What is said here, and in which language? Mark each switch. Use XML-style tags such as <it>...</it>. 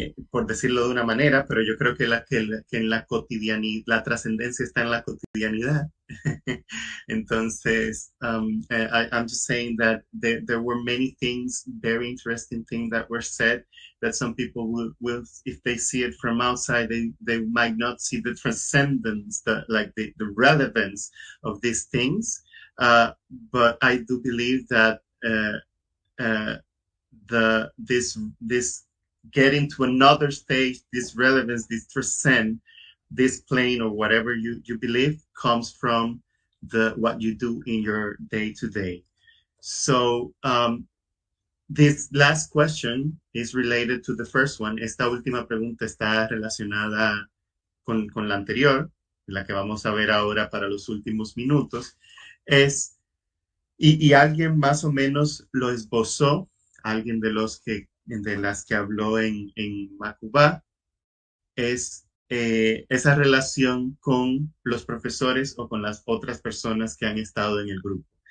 <es>Por decirlo de una manera, pero yo creo que en la cotidianidad, la trascendencia está en la cotidianidad. Entonces,</es> <en>I'm just saying that there were many things, very interesting things that were said, that some people will, if they see it from outside, they might not see the transcendence, the relevance of these things. But I do believe that this getting to another stage, this relevance, this transcend, this plane, or whatever you believe, comes from what you do in your day to day. So this last question is related to the first one.</en> <es>Esta última pregunta está relacionada con la anterior, la que vamos a ver ahora para los últimos minutos. Es, y alguien más o menos lo esbozó, alguien de los que de las que habló en Macubá, es esa relación con los profesores o con las otras personas que han estado en el grupo.</es>